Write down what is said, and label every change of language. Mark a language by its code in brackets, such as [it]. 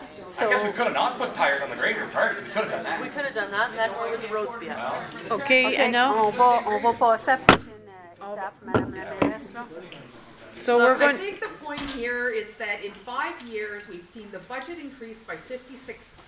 [en] So I guess we could have not put tires on the grader. We could have done that. And then where would the roads be at? Okay, I know. [fr] On va passer à la prochaine étape, Madame la Ministre. [en] So we're going. I think the point here is that in 5 years we've seen the budget increase by 56%.